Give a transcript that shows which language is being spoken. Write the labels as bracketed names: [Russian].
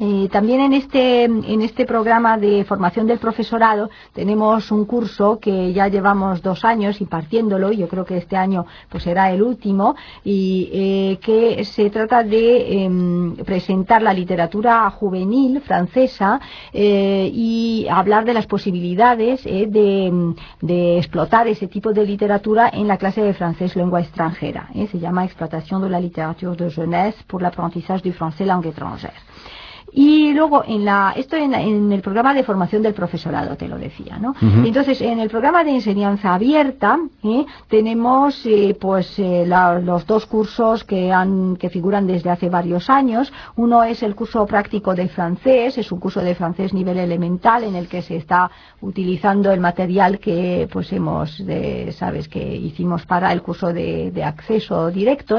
[Spanish] También en este programa de formación del profesorado tenemos un curso que ya llevamos 2 años impartiéndolo, yo creo que este año pues será el último, y que se trata de presentar la literatura juvenil francesa y hablar de las posibilidades de explotar ese tipo de literatura en la clase de francés lengua extranjera. Se llama [French] Exploitation de la littérature de jeunesse pour l'apprentissage du français langue étrangère. [Spanish] Y luego en el programa de formación del profesorado, te lo decía, ¿no? Uh-huh. Entonces, en el programa de enseñanza abierta tenemos los dos cursos que figuran desde hace varios años. Uno es el curso práctico de francés, es un curso de francés nivel elemental en el que se está utilizando el material que pues hicimos para el curso de acceso directo.